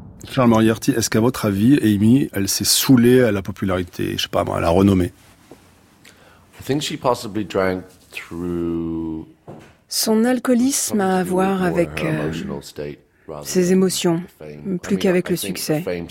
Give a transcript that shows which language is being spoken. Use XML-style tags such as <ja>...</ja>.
<fr>Charles Moriarty, est-ce qu'à votre avis, Amy, elle s'est saoulée à la popularité, je sais pas moi, à la renommée ?</fr> <en>I think she possibly drank through...</en> <fr>Son alcoolisme a à voir avec ses émotions, plus qu'avec le succès.</fr>